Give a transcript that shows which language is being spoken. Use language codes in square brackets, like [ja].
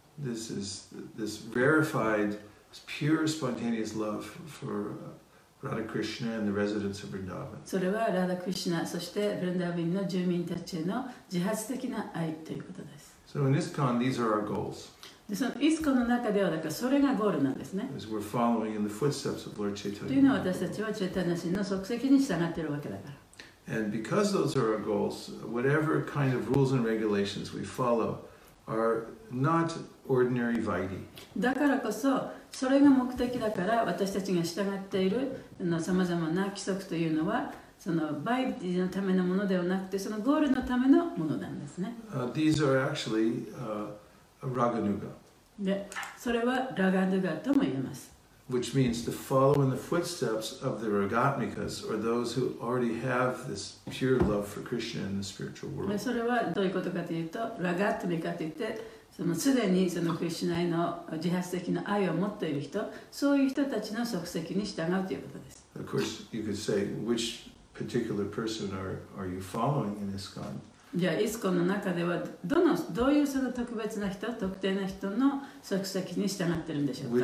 [en] This is this verified, pure, spontaneous love for Radha Krishna and the residents of Vrindavan. [ja] それはラダ・クリシュナ、そしてブリンダーヴァンの住民たちへの自発的な愛ということです。 [en] So in ISKCON, these are our goals. So in [ja] ISKCON の中ではだからそれがゴールなんですね。 [en] As we're following in the footsteps of Lord Chaitanya. [ja] というのは私たちはチェタナシの足跡に従っているわけだから。 [en] And because those are our goals, whatever kind of rules and regulations we follow are not ordinary vaidhi. [ja] だからこそそれが目的だから私たちが従っているのさまざまな規則というのは。そのバイディのためのものではなくて、そのゴールのためのものなんですね。 [en] These are actually raganuga. [ja] で、それはラガヌガとも言えます。 [en] Which means to follow in the footsteps of the ragatmikas, or those who already have this pure love for Krishna in the spiritual world. [ja] で、それはどういうことかというと、ラガトミカといって、そのすでにそのクリシュナへの自発的な愛を持っている人、そういう人たちの足跡に従うということです。 [en] Of course, you could say which. Particular person are you following in ISKCON? [ja] Yeah, ISKCON の中ではどういうその特別な人、特定な人の足跡に従ってるんでしょうか